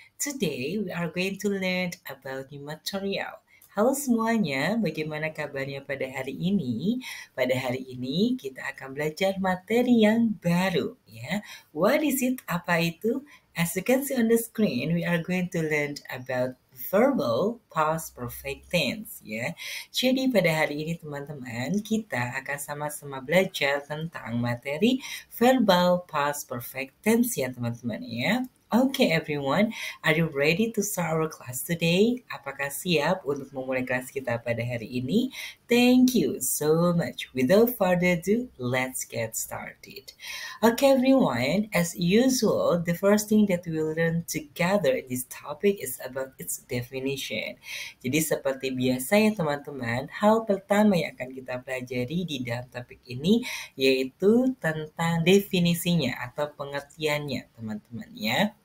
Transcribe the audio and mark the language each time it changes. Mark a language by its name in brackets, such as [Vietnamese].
[English] Today we are going to learn about new material. [Indonesian] Halo semuanya, bagaimana kabarnya pada hari ini? Pada hari ini kita akan belajar materi yang baru ya. [English] What is it? [Indonesian] Apa itu? [English] As you can see on the screen, we are going to learn about verbal past perfect tense ya. [Indonesian] Jadi pada hari ini teman-teman, kita akan sama-sama belajar tentang materi verbal past perfect tense ya teman-teman ya. [English] Okay everyone, are you ready to start our class today? [Indonesian] Apakah siap untuk memulai kelas kita pada hari ini? [English] Thank you so much. Without further ado, let's get started. Okay everyone, as usual, the first thing that we'll learn together in this topic is about its definition. [Indonesian] Jadi seperti biasa ya teman-teman, hal pertama yang akan kita pelajari di dalam topik ini yaitu tentang definisinya atau pengertiannya teman-teman ya.